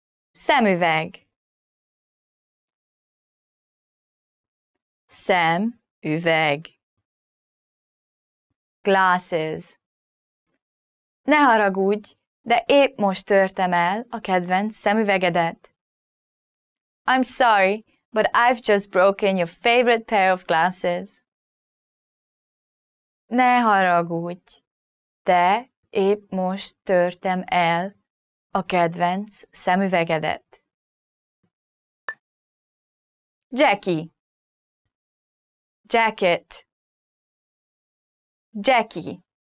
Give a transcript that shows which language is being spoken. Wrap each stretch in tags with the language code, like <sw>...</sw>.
<hu>Szemüveg. Szemüveg.</hu> <en>Glasses.</en> <hu>Ne haragudj, de épp most törtem el a kedvenc szemüvegedet.</hu> <en>I'm sorry, but I've just broken your favorite pair of glasses.</en> <hu>Ne haragudj, de épp most törtem el a kedvenc szemüvegedet. Jackie.</hu> <en>Jacket.</en> <hu>Jackie.</hu>